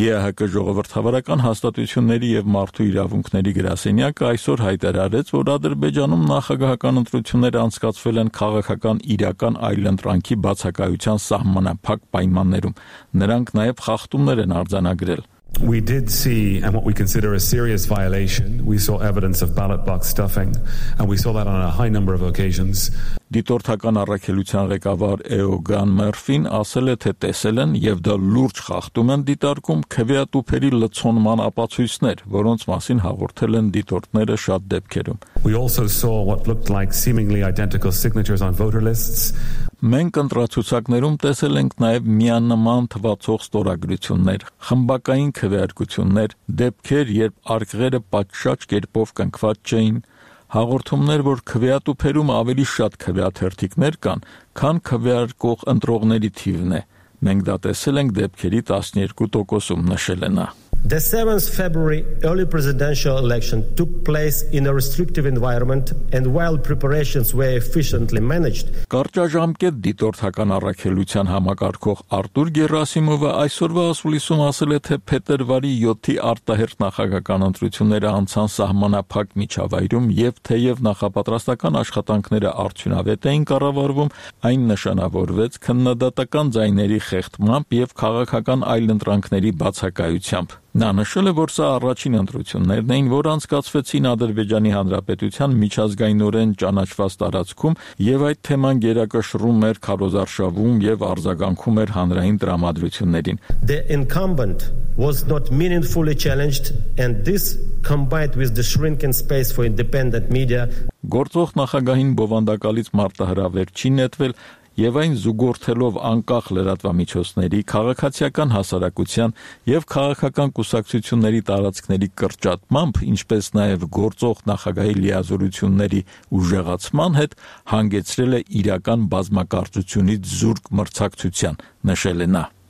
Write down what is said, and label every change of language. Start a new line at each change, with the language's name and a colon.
Armenian: ԵՀԿ ժողովրդավարական հաստատությունների և մարդու իրավունքների գրասենյակը այսօր հայտարարեց, որ Ադրբեջանում նախագահական ընտրություններ անցկացվել են քաղաքական իրական այլընտրանքի բացակայության սահմանափակ պայմաններում։ Նրանք նաև խախտումներ են արձանագրել։
English: We did see, and what we consider a serious violation, we saw evidence of ballot box stuffing, and we saw that on a high number of occasions.
Armenian: Դիտորդական առաքելության ղեկավար Էոգան Մերֆին ասել է, թե տեսել են, և դա լուրջ խախտում են դիտարկում, քվեատուփերի լցոնման ապացույցներ, որոնց մասին հաղորդել են դիտորդները շատ դեպքերում։
English: We also saw what looked like seemingly identical signatures on voter lists.
Armenian: Մենք ընտրացուցակներում տեսել ենք նաև միանման թվացող ստորագրություններ, խմբակային քվեարկություններ, դեպքեր, երբ արկղերը պատշաճ կերպով կնքված չէին, հաղորդումներ, որ քվեատուփերում ավելի շատ քվեաթերթիկներ կան, քան քվեարկող ընտրողների թիվն է։ Մենք դա տեսել ենք դեպքերի 12%-ում, նշել է նա։
English: The 7th February early presidential election took place in a restrictive environment and while preparations were efficiently managed.
Armenian: Կարճաժամկետ դիտորդական առաքելության համակարգող Արտուր Գերասիմովը այսօրվա ասուլիսում ասել է, թե փետրվարի 7-ի արտահերթ նախագահական ընտրությունները անցան սահմանափակ միջավայրում եւ թեև նախապատրաստական աշխատանքները արդյունավետ էին կառավարվում, այն նշանավորվեց քննադատական ձայների խեղդմամբ եւ քաղաքական այլընտրանքների բացակայությամբ։ Նա նշել է, որ սա առաջին ընտրություններն էին, որ անցկացվեցին Ադրբեջանի Հանրապետության միջազգայնորեն ճանաչված տարածքում եւ այդ թեման գերակշռում էր քարոզարշավում եւ արձագանքում էր հանրային տրամադրություններին։
English: The incumbent was not meaningfully challenged and this combined with the shrinking space for independent media.
Armenian: Գործող նախագահին բովանդակալից մարտահրավեր չի նետվել Եվ այն զուգորդելով անկախ լրատվամիջոցների, քաղաքացիական հասարակության եւ քաղաքական կուսակցությունների տարածքների կրճատմամբ, ինչպես նաեւ գործող նախագահի լիազորությունների ուժեղացման հետ հանգեցրել է իրական բազմակարծությունից զուրկ մրցակցության, նշել է նա։